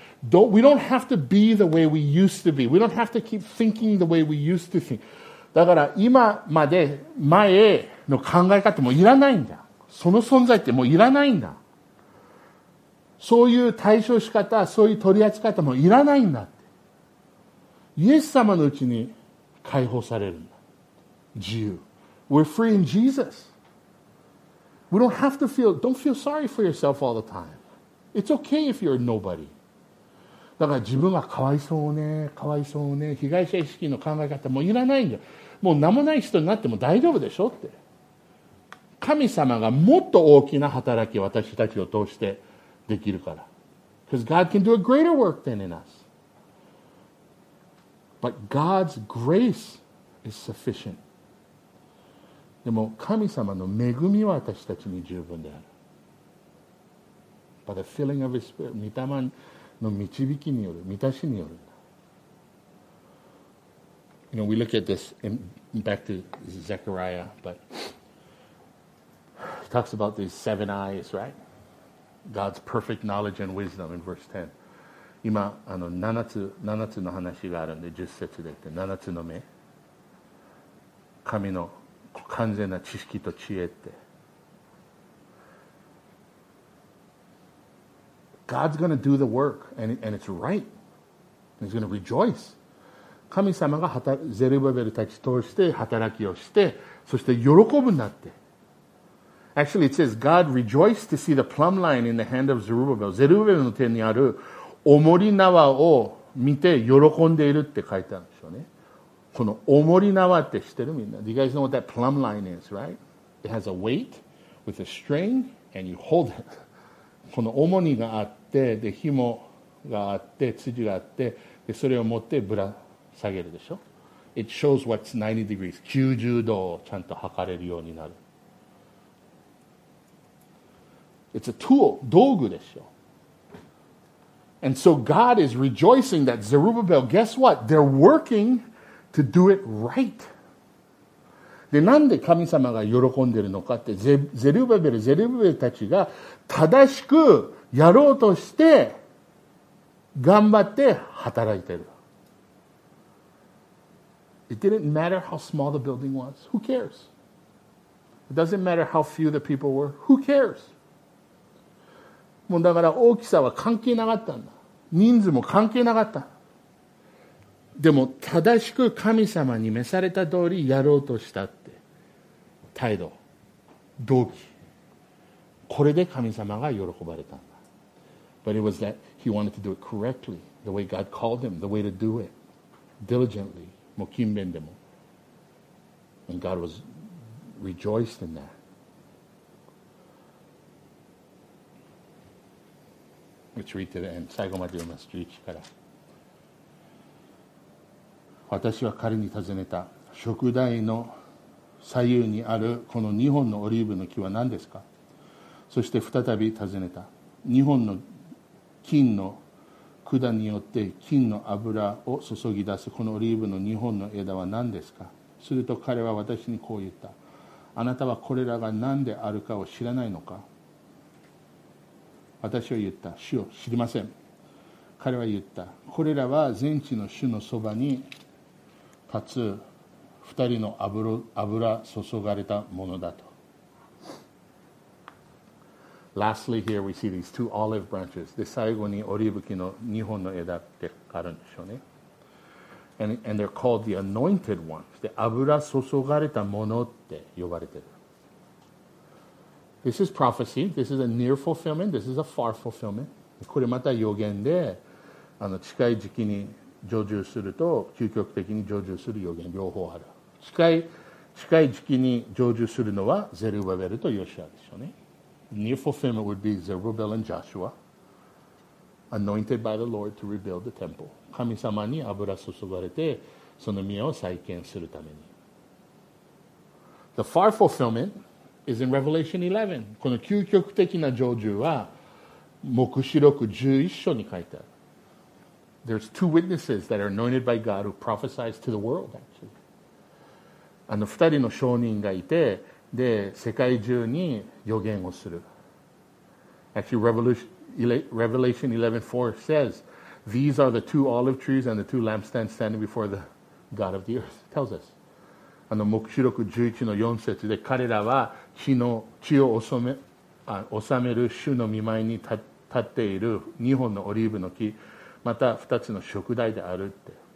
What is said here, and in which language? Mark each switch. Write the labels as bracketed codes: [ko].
[en] we don't have to be the way we used to be. We don't have to keep thinking the way we used to think. [ja] だから今まで前の考え方もいらないんだ。その存在ってもういらないんだ。そういう対処し方、そういう取り扱い方もいらないんだって。イエス様のうちに解放されるんだ。 [en] 自由。We're free in Jesus. We don't have to feel, don't feel sorry for yourself all the time. It's okay if you're nobody. [ja] だから自分はかわいそうね、かわいそうね、被害者意識の考え方もいらないんだ。もう名もない人になっても大丈夫でしょって。神様がもっと大きな働き私たちを通してできるから。 [en] Because God can do a greater work than in us. But God's grace is sufficient. [ja] でも神様の恵みは私たちに十分である。 [en] But the filling of His Spirit, [ja] 御霊の導きによる、満たしによる。 [en] You know, we look at this in, back to Zechariah, but he talks about these seven eyes, right? God's perfect knowledge and wisdom in verse 10. [ja] 今あの7つの話があるんで10節で言って7つの目、神の完全な知識と知恵って。 [en] God's going to do the work and it's right. He's going to rejoice. [ja] 神様がゼルバベルたち通して働きをしてそして喜ぶんだって。 [en] Actually, it says God rejoiced to see the plumb line in the hand of Zerubbabel. [ja] ゼルバベルの手にある重り縄を見て喜んでいるって書いてあるんでしょうね。この重り縄って知ってるみんな。 [en] Do you guys know what that plumb line is, right? It has a weight with a string and you hold it. [ja] この重りがあって、で、紐があって、辻があって、で、それを持ってぶら下げるでしょ。 [en] It shows what's 90 degrees. [ja] 90度をちゃんと測れるようになる。 [en] It's a tool, [ja] 道具でしょ。 [en] And so God is rejoicing that Zerubbabel, guess what? They're working to do it right. [ja] で、なんで神様が喜んでるのかって、ゼルバベルたちが正しくやろうとして、頑張って働いてる。 [en] It didn't matter how small the building was. Who cares? It doesn't matter how few the people were. Who cares? [ja] もうだから大きさは関係なかったんだ。人数も関係なかった。でも正しく神様に召された通りやろうとしたって態度、動機、これで神様が喜ばれたんだ。 [en] But it was that he wanted to do it correctly, the way God called him, the way to do it, diligently, [ja] もう勤勉でも。 [en] And God was rejoiced in that. Let's read to the end. [ja] 最後まで読ます。11から。私は彼に尋ねた。燭台の左右にあるこの2本のオリーブの木は何ですか？そして再び尋ねた。2本の金の管によって金の油を注ぎ出すこのオリーブの2本の枝は何ですか？すると彼は私にこう言った。あなたはこれらが何であるかを知らないのか？私は言った。主よ、知りません。彼は言った。これらは全地の主のそばに立つ二人の油注がれたものだと。 [en] Lastly, here we see these two olive branches. [ja] で、最後にオリーブ木の二本の枝ってあるんでしょうね。 [en] And they're called the anointed ones. [ja] で、油注がれたものって呼ばれてる。 [en] This is prophecy. This is a near fulfillment. This is a far fulfillment. [ja] これまた予言で、あの近い時期に成就すると究極的に成就する予言両方ある。近い時期に成就するのはゼルバベルとヨシアでしょうね。 [en] Near fulfillment would be Zerubbabel and Joshua, anointed by the Lord to rebuild the temple. [ja] 神様に油注がれてその宮を再建するために。 [en] The far fulfillment is in Revelation 11. [ja] この究極的な成就は黙示録11章に書いてある。 [en] There's two witnesses that are anointed by God who prophesies to the world, actually. [ja] あの二人の証人がいて、で、世界中に予言をする。 [en] Actually, Revelation 11:4 says These are the two olive trees and the two lampstands standing before the God of the earth. It tells us. [ja] あの黙示録11の4節で彼らは血を治める主の御前に立っている2本のオリーブの木また2つの燭台であるって。